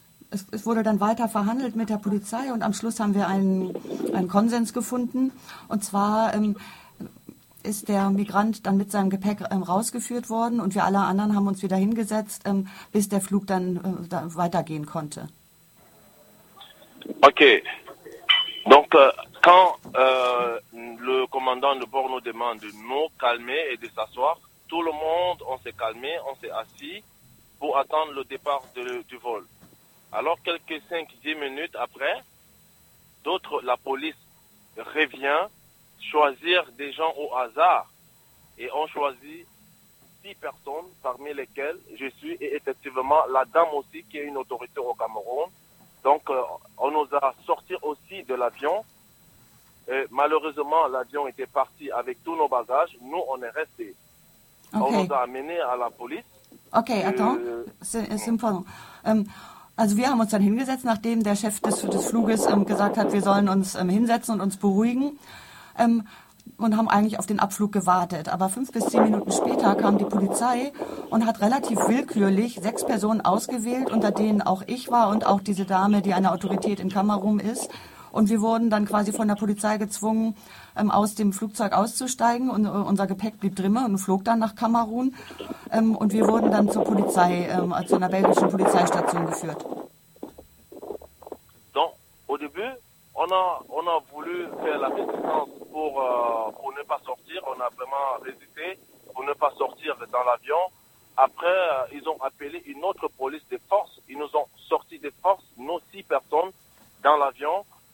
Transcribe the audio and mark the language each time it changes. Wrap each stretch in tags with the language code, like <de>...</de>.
<de>Es wurde dann weiter verhandelt mit der Polizei und am Schluss haben wir einen Konsens gefunden. Und zwar ist der Migrant dann mit seinem Gepäck rausgeführt worden und wir alle anderen haben uns wieder hingesetzt, bis der Flug dann weitergehen konnte. Okay.</de> <fr>Donc, quand le commandant de bord nous demande de nous calmer et de s'asseoir, tout le monde, on s'est calmé, on s'est assis pour attendre le départ du vol. Alors, quelques 5-10 minutes après, la police revient choisir des gens au hasard. Et on choisit 6 personnes parmi lesquelles je suis et effectivement la dame aussi qui est une autorité au Cameroun. Donc, on nous a sortis aussi de l'avion. Et malheureusement, l'avion était parti avec tous nos bagages. Nous, on est restés. Okay. On nous a amenés à la police. Ok, attends. C'est pardon.</fr> <de>Also wir haben uns dann hingesetzt, nachdem der Chef des Fluges gesagt hat, wir sollen uns hinsetzen und uns beruhigen und haben eigentlich auf den Abflug gewartet. Aber 5-10 Minuten später kam die Polizei und hat relativ willkürlich 6 Personen ausgewählt, unter denen auch ich war und auch diese Dame, die eine Autorität in Kamerun ist. Und wir wurden dann quasi von der Polizei gezwungen, aus dem Flugzeug auszusteigen. Und unser Gepäck blieb drinnen und flog dann nach Kamerun. Und wir wurden dann zur Polizei, zu einer belgischen Polizeistation geführt.</de> <fr>Donc, au début, on a voulu faire la résistance pour ne pas sortir. On a vraiment résisté pour ne pas sortir dans l'avion. Après, ils ont appelé une autre police de force. Ils nous ont sorti de force, nos 6 personnes, dans l'avion.</fr>